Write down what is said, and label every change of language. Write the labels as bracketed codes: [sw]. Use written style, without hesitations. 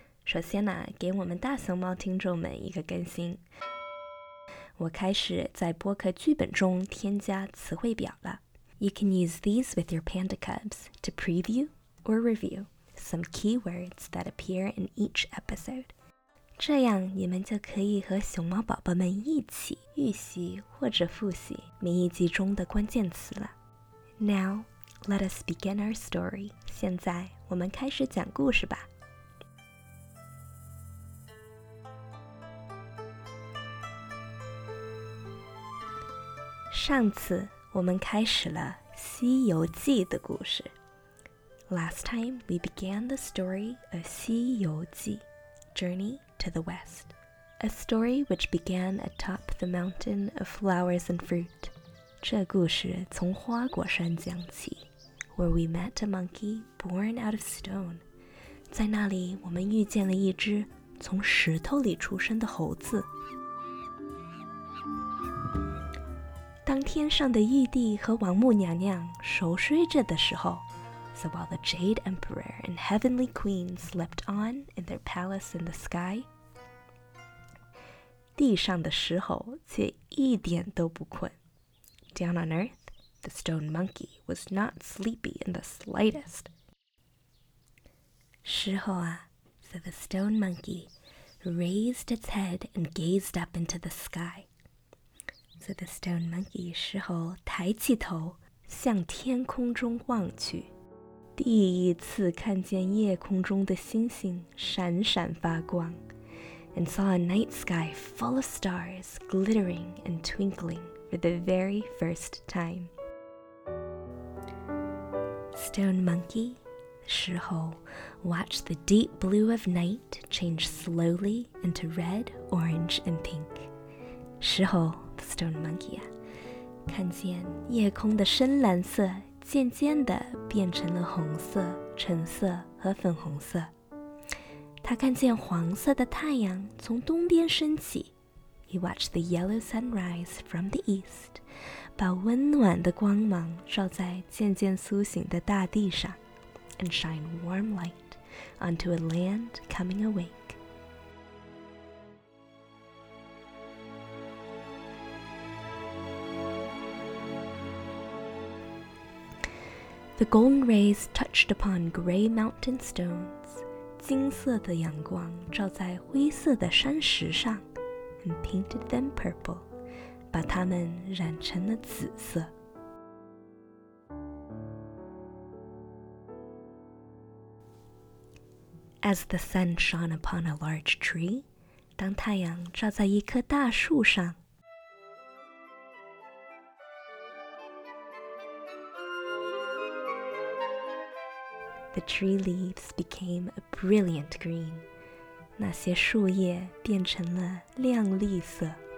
[zh] 首先呢，给我们大熊猫听众们一个更新。我开始在播客剧本中添加词汇表了。 [en] You can use these with your panda cubs to preview or review. Some keywords that appear in each episode. [zh] 这样你们就可以和熊猫宝宝们一起预习或者复习每一集中的关键词了。 [en] Now, let us begin our story. [zh] 现在我们开始讲故事吧。上次我们开始了《西游记》的故事。 [en] Last time, we began the story of 西游记, Journey to the West, a story which began atop the mountain of flowers and fruit. [zh] 这故事从花果山讲起, [en] where we met a monkey born out of stone. [zh] 在那里我们遇见了一只从石头里出生的猴子。当天上的玉帝和王母娘娘熟睡着的时候, [en] So while the Jade Emperor and Heavenly Queen slept on in their palace in the sky, [zh] 地上的石猴却一点都不困。 [en] Down on Earth, the stone monkey was not sleepy in the slightest. 石猴啊, said the stone monkey, raised its head and gazed up into the sky. So the stone monkey, [zh] 石猴抬起头向天空中望去。第一次看见夜空中的星星闪闪发光 [en] and saw a night sky full of stars glittering and twinkling for the very first time. Stone monkey, 石猴, watched the deep blue of night change slowly into red, orange, and pink. [zh] 石猴, the stone monkey, 看见夜空的深蓝色渐渐地变成了红色、橙色和粉红色。他看见黄色的太阳从东边升起。 [en] He watched the yellow sunrise from the east, [zh] 把温暖的光芒照在渐渐苏醒的大地上 [en] and shine warm light onto a land coming awake. The golden rays touched upon gray mountain stones. [zh] 金色的阳光照在灰色的山石上 [en] and painted them purple, [zh] 把它们染成了紫色。 [en] As the sun shone upon a large tree, [zh] 当太阳照在一棵大树上 [en] The tree leaves became a brilliant green. [zh] 那些树叶变成了亮绿色。